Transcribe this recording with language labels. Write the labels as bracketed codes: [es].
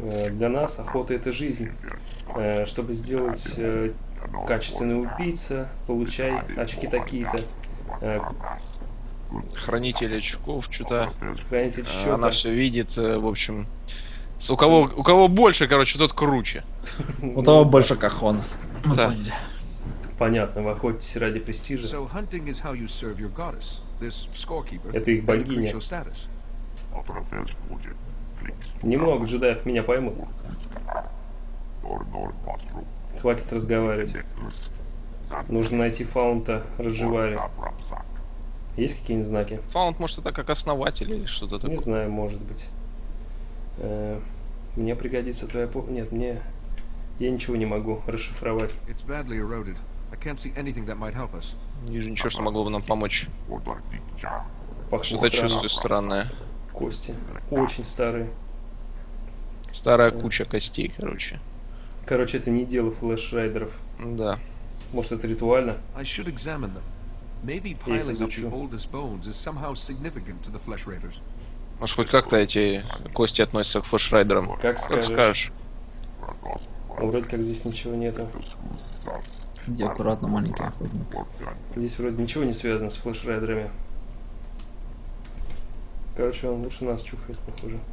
[ru] Для нас охота — это жизнь. Чтобы сделать качественный убийца, получай очки такие-то. Хранитель очков, что-то... Хранитель счета. Она все видит, в общем... У кого больше, короче, тот круче. У того больше кахонос. Мы поняли. Понятно, вы охотитесь ради престижа. [en] So hunting is how you serve your goddess, this scorekeeper. [ru] Это их богиня. Немного джедаев меня поймут. Хватит разговаривать. Нужно найти фаунта Ржевари. Есть какие-нибудь знаки? Фаунт, может, это как основатель или что-то такое? Не знаю, может быть. Мне пригодится твоя помощь. Нет, мне... Я ничего не могу расшифровать. [en] I can't see anything that might help us. [ru] Не вижу ничего, что могло бы нам помочь. Пахнет странно. Что-то чувствую странное. Кости. Очень старые. Старая куча костей, короче. Короче, это не дело флэш-райдеров. Да. Может, это ритуально? [en] I should examine them. Maybe piling up the oldest bones is somehow significant to the flesh-raiders. [ru] Может, хоть как-то эти кости относятся к флэш-райдерам? Как скажешь. Ну, вроде как здесь ничего нету. Иди аккуратно, маленький охотник. Здесь вроде ничего не связано с флэш-райдерами. Короче, он лучше нас чухает, похоже.